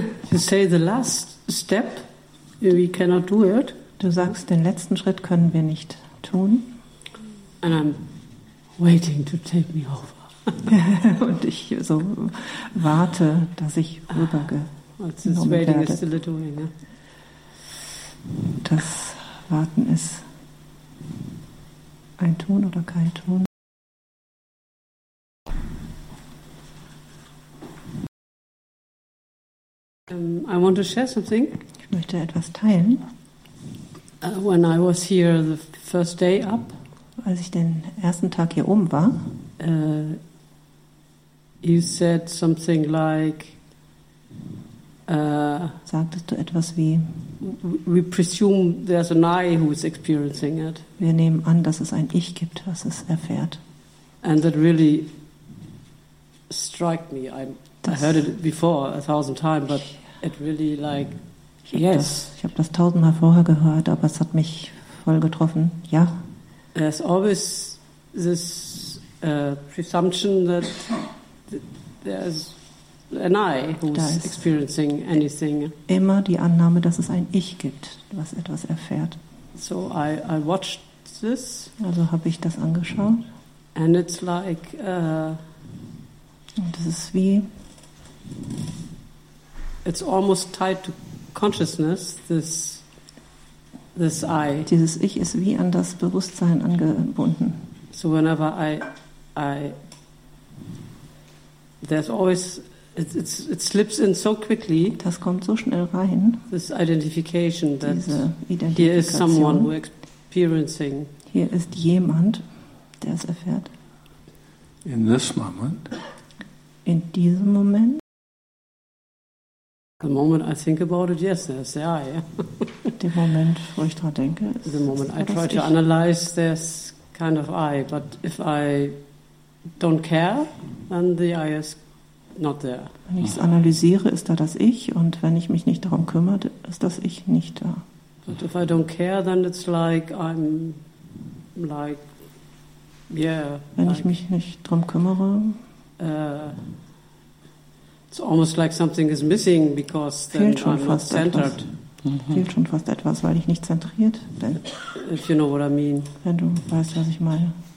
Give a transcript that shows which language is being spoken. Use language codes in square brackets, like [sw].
[en] You say the last step, we cannot do it. [de] Du sagst, den letzten Schritt können wir nicht tun. [en] And I'm waiting to take me over. [de] Und ich so warte, dass ich rübergehe. [en] Well, waiting [de] werde. [en] Is still a doing, yeah? [de] Das Warten ist ein Ton oder kein Ton. [en] I want to share something. [de] Ich möchte etwas teilen. [en] When I was here the first day up, [de] als ich den ersten Tag hier oben war, [en] you said something like, [de] sagtest du etwas wie, [en] we presume there's an I who is experiencing it. [de] Wir nehmen an, dass es ein Ich gibt, was es erfährt. [en] And that really struck me. I heard it before 1,000 times, but it really like, yes. [de] Ich habe das 1,000 Mal vorher gehört, aber es hat mich voll getroffen. Ja. [en] There's always this presumption that there's an I who's experiencing anything. [de] Immer die Annahme, dass es ein Ich gibt, was etwas erfährt. [en] So I watched this. [de] Also habe ich das angeschaut. [en] And it's like, [de] und es ist wie, [en] it's almost tied to consciousness, this I. [de] Dieses Ich ist wie an das Bewusstsein angebunden. [en] So whenever I there's always, it slips in so quickly. [de] Das kommt so schnell rein. [en] This identification, that [de] diese Identifikation. [en] Here is someone who experiencing. [de] Hier ist jemand, der es erfährt. [en] In this moment. [de] In diesem Moment. [en] The moment I think about it, yes, there's the I. The moment, [de] wo ich dran denke, [en] the moment I try to analyze, there's kind of I. But if I don't care, then the I is not there. [de] Wenn ich es analysiere, ist da das Ich, und wenn ich mich nicht darum kümmere, ist das Ich nicht da. [en] But if I don't care, then it's like I'm like [de] wenn ich mich nicht drum kümmere. [en] It's almost like something is missing because then [de] fehlt schon [en] I'm [de] fast [en] not centered. Mm-hmm. [de] Fehlt schon fast etwas, weil ich nicht zentriert bin. [en] If you know what I mean. [de] Wenn du weißt, was ich meine.